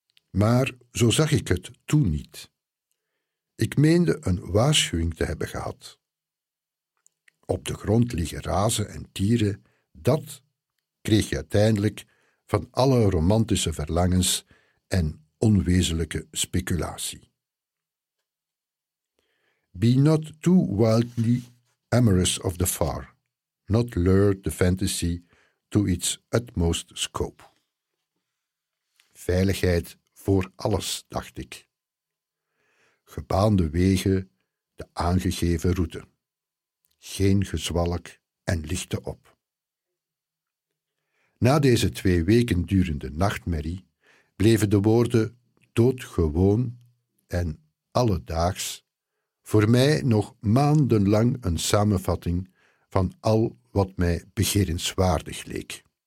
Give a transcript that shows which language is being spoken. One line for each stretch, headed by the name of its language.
Dutch: Maar zo zag ik het toen niet. Ik meende een waarschuwing te hebben gehad. Op de grond liggen razen en tieren, dat kreeg je uiteindelijk van alle romantische verlangens en onwezenlijke speculatie.
English: Be not too wildly amorous of the far, not lure the fantasy to its utmost scope.
Dutch: Veiligheid voor alles, dacht ik. Gebaande wegen, de aangegeven route. Geen gezwalk en lichte op. Na deze 2 weken durende nachtmerrie bleven de woorden doodgewoon en alledaags voor mij nog maandenlang een samenvatting van al wat mij begerenswaardig leek.